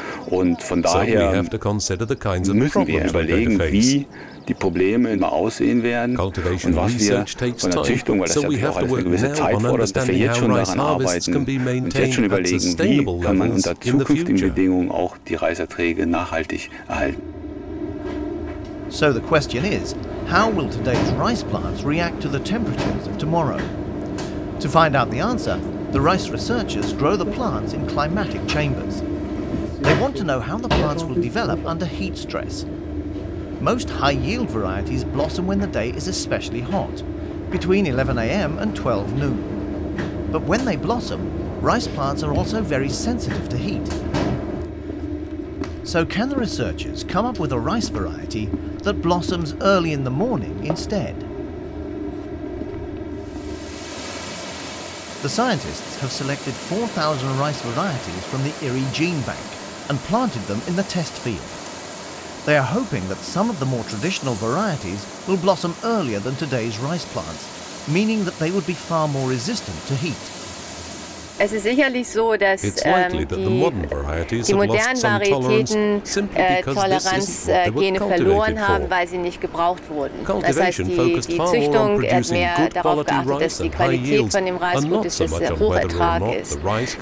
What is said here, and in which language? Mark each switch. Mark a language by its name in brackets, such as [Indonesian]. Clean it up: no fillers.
[German] Und von daher müssen wir überlegen, wie die Probleme immer aussehen werden und was wir von der Züchtung, weil das ja auch eine gewisse Zeit fordert, dass wir jetzt schon daran arbeiten und jetzt schon überlegen, wie kann man unter zukünftigen Bedingungen auch die Reiserträge nachhaltig erhalten. [English] So the question is, how will today's rice plants react to the temperatures of tomorrow? To find out the answer, the rice researchers grow the plants in climatic chambers. They want to know how the plants will develop under heat stress. Most high-yield varieties blossom when the day is especially hot, between 11 a.m. and 12 noon. But when they blossom, rice plants are also very sensitive to heat. So can the researchers come up with a rice variety that blossoms early in the morning instead? The scientists have selected 4,000 rice varieties from the IRI gene bank and planted them in the test field. They are hoping that some of the more traditional varieties will blossom earlier than today's rice plants, meaning that they would be far more resistant to heat. [German] Es ist sicherlich so, dass die modernen Varietäten Toleranzgene verloren haben, weil sie nicht gebraucht wurden. Das heißt, die Züchtung hat mehr darauf geachtet, dass die Qualität von dem Reis gut ist, dass der Hochertrag ist.